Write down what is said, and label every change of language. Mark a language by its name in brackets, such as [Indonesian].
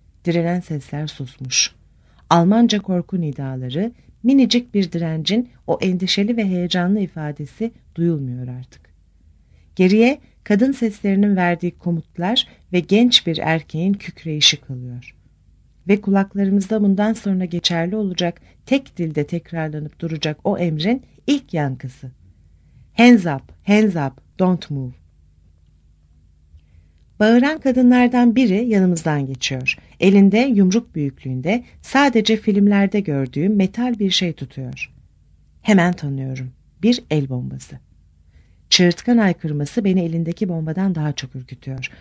[Turkish] Direnen sesler susmuş. Almanca korku nidaları, minicik bir direncin o endişeli ve heyecanlı ifadesi duyulmuyor artık. Geriye kadın seslerinin verdiği komutlar ve genç bir erkeğin kükreyişi kalıyor. Ve kulaklarımızda bundan sonra geçerli olacak, tek dilde tekrarlanıp duracak o emrin ilk yankısı. [English] Hands up, hands up, don't move. [Turkish] Bağıran kadınlardan biri yanımızdan geçiyor. Elinde yumruk büyüklüğünde sadece filmlerde gördüğüm metal bir şey tutuyor. Hemen tanıyorum. Bir el bombası. Çığırtkan aykırması beni elindeki bombadan daha çok ürkütüyor.